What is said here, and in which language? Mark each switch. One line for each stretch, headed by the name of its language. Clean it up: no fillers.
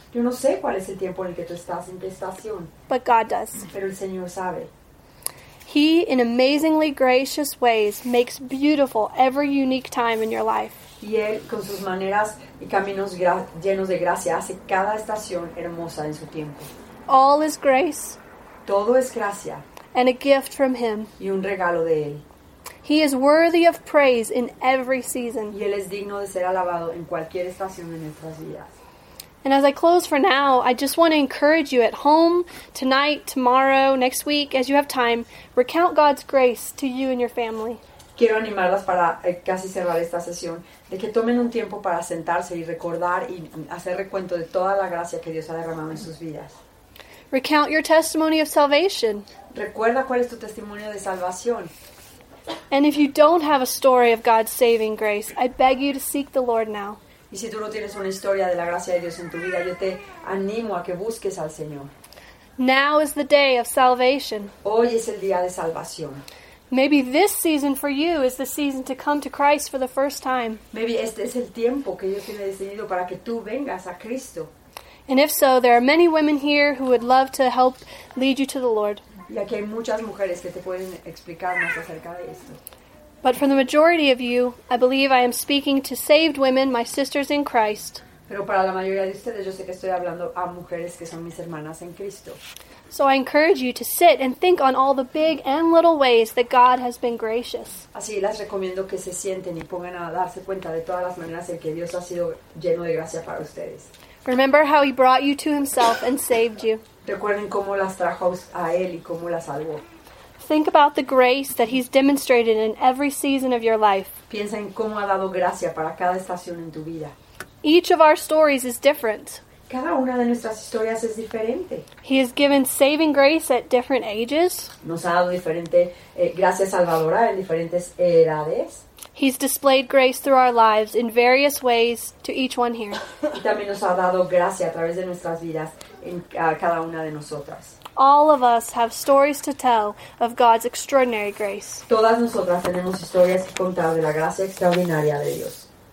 Spanish: Yo no sé cuál es el tiempo en el que tú estás en estación.
English: But God does.
Spanish: Pero el Señor sabe.
English: He, in amazingly gracious ways, makes beautiful every unique time in your life.
Spanish: Y Él, con sus maneras y caminos llenos de gracia, hace cada estación hermosa en su tiempo.
English: All is grace.
Spanish: Todo es gracia.
English: And a gift from Him.
Spanish: Y un regalo de Él.
English: He is worthy of praise in every season.
Spanish: Y Él es digno de ser alabado en cualquier estación de nuestras vidas.
English: And as I close for now, I just want to encourage you at home, tonight, tomorrow, next week, as you have time, recount God's grace to you and your family.
Spanish: Quiero animarlas para casi cerrar esta sesión, de que tomen un tiempo para sentarse y recordar y hacer recuento de toda la gracia que Dios ha derramado en sus vidas.
English: Recount your testimony of salvation.
Spanish: Recuerda cuál es tu testimonio de salvación.
English: And if you don't have a story of God's saving grace, I beg you to seek the Lord now.
Spanish: Y si tú no tienes una historia de la gracia de Dios en tu vida, yo te animo a que busques al Señor.
English: Now is the day of salvation.
Spanish: Hoy es el día de salvación.
English: Maybe this season for you is the season to come to Christ for the first time. Maybe
Spanish: este es el tiempo que Dios tiene decidido para que tú vengas a Cristo.
English: And if so, there are many women here who would love to help lead you to the Lord.
Spanish: Y aquí hay muchas mujeres que te pueden explicar más acerca de esto.
English: But for the majority of you, I believe I am speaking to saved women, my sisters in Christ.
Spanish: Pero para la mayoría de ustedes, yo sé que estoy hablando a mujeres que son mis hermanas en Cristo.
English: So I encourage you to sit and think on all the big and little ways that God has been gracious.
Spanish: Así, las recomiendo que se sienten y pongan a darse cuenta de todas las maneras en que Dios ha sido lleno de gracia para ustedes.
English: Remember how he brought you to himself and saved you.
Spanish: Recuerden cómo las trajo a él y cómo las salvó.
English: Think about the grace that he's demonstrated in every season of your life.
Spanish: Piensa en cómo ha dado gracia para cada estación en tu vida.
English: Each of our stories is different.
Spanish: Cada una de nuestras historias es diferente.
English: He has given saving grace at different ages.
Spanish: Nos ha dado diferente gracia salvadora en diferentes edades.
English: He's displayed grace through our lives in various ways to each one here.
Spanish: Y también nos ha dado gracia a través de nuestras vidas en cada una de nosotras.
English: All of us have stories to tell of God's extraordinary grace.
Spanish: Todas nosotras tenemos historias que contar de la gracia extraordinaria de Dios.